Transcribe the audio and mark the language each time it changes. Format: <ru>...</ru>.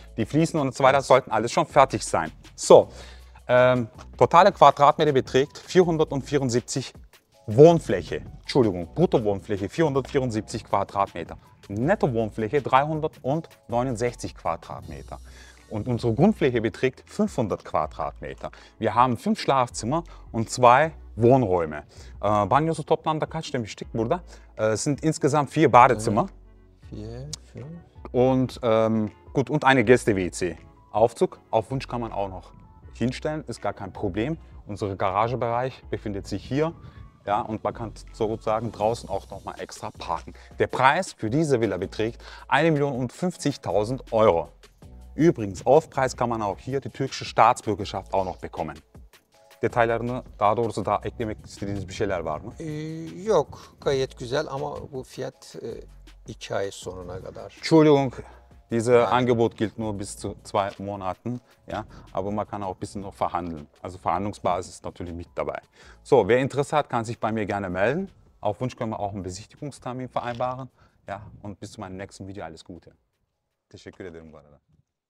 <de>Die Fliesen und so weiter sollten alles schon fertig sein. So, totale Quadratmeter beträgt 474 Wohnfläche, Entschuldigung, Bruttowohnfläche 474 Quadratmeter. Netto-Wohnfläche 369 Quadratmeter und unsere Grundfläche beträgt 500 Quadratmeter. Wir haben 5 Schlafzimmer und 2 Wohnräume.</de> <tr>Banyosu toplamda kaç demiştik burada?</tr> <de>Es sind insgesamt 4 Badezimmer. 4, 5. Und gut, und eine Gäste-WC. Aufzug auf Wunsch kann man auch noch hinstellen, ist gar kein Problem. Unser Garagebereich befindet sich hier. Ja, und man kann sozusagen draußen auch noch mal extra parken. Der Preis für diese Villa beträgt 1.050.000 Euro. Übrigens, Aufpreis kann man auch hier die türkische Staatsbürgerschaft auch noch bekommen.</de> <tr>Detaylarını daha doğrusu da eklemek istediğiniz bir şeyler var mı? Yok, gayet güzel ama bu fiyat 2 ay sonuna kadar.</tr> <de>Entschuldigung, dieses Angebot gilt nur bis zu 2 Monaten. Ja, aber man kann auch ein bisschen noch verhandeln. Also Verhandlungsbasis ist natürlich mit dabei. So, wer Interesse hat, kann sich bei mir gerne melden. Auf Wunsch können wir auch einen Besichtigungstermin vereinbaren. Ja, und bis zu meinem nächsten Video. Alles Gute.</de> <tr>Teşekkür ederim bu arada.</tr>